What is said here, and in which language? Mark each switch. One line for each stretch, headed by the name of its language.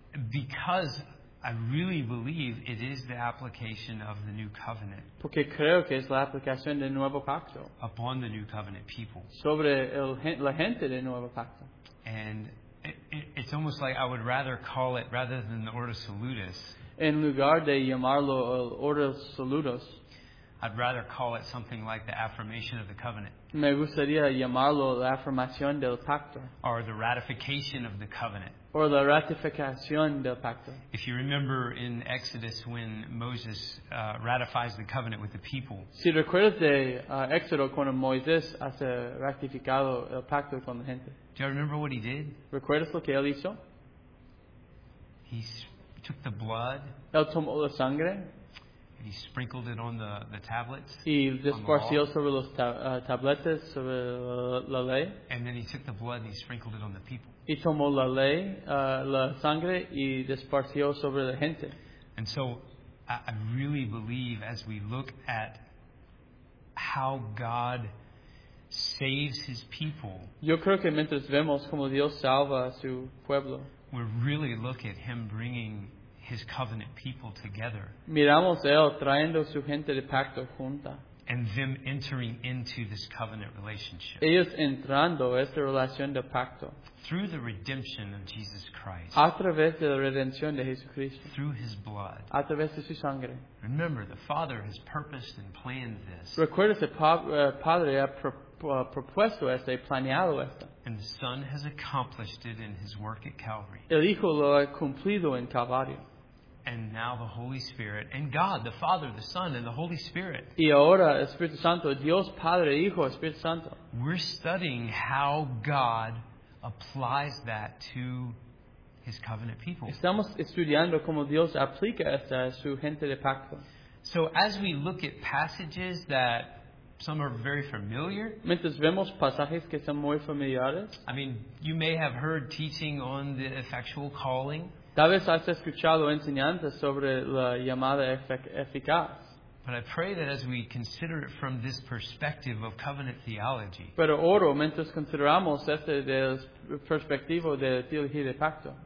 English: Because I really believe it is the application of the new covenant.
Spanish: Porque creo que es la aplicación del nuevo pacto.
English: Upon the new covenant people.
Spanish: Sobre la gente del nuevo pacto.
English: And it's almost like I would rather call it, rather than the Ordo Salutis.
Spanish: En lugar de llamarlo el Ordo Salutis.
English: I'd rather call it something like the affirmation of the covenant.
Spanish: Me gustaría llamarlo la afirmación del pacto.
English: Or the ratification of the covenant.
Spanish: Or la ratificación del pacto.
English: If you remember in Exodus when Moses ratifies the covenant with the people.
Spanish: Si recuerdas de Éxodo cuando Moisés hace ratificado el pacto con la gente.
English: Do you remember what he did?
Spanish: ¿Recuerdas lo que él hizo?
English: He took the blood.
Spanish: Él tomó la sangre.
English: He sprinkled it on the tablets.
Spanish: Y esparció sobre los tabletas, sobre la ley.
English: And then he took the blood and he sprinkled it on the people.
Spanish: Y tomó la ley, la sangre, y esparció sobre la gente.
English: And so, I really believe as we look at how God saves his people.
Spanish: Yo creo que mientras vemos cómo Dios salva a su pueblo.
English: We really look at him bringing his covenant people together.
Spanish: Miramos él trayendo su gente de pacto junta.
English: And them entering into this covenant relationship.
Spanish: Ellos entrando a esta relación de pacto.
English: Through the redemption of Jesus Christ.
Spanish: A través de la redención de Jesucristo.
English: Through his blood.
Spanish: A través de su sangre.
English: Remember, the Father has purposed and planned this.
Spanish: Recuerda que Padre ha propuesto esto y planeado esto.
English: And the Son has accomplished it in his work at Calvary.
Spanish: El Hijo lo ha cumplido en Calvario.
English: And now the Holy Spirit and God, the Father, the Son, and the Holy Spirit.
Spanish: Y ahora Espíritu Santo, Dios Padre, Hijo, Espíritu Santo.
English: We're studying how God applies that to his covenant people.
Spanish: Estamos estudiando cómo Dios aplica esto a su gente de pacto.
English: So as we look at passages that some are very familiar.
Spanish: Mientras vemos pasajes que son muy familiares.
English: I mean, you may have heard teaching on the effectual calling.
Spanish: Tal vez has escuchado enseñanzas sobre la llamada eficaz.
English: But I pray that as we consider it from this perspective of covenant theology.
Spanish: Pero oro, mientras consideramos este del perspectivo de teología de pacto.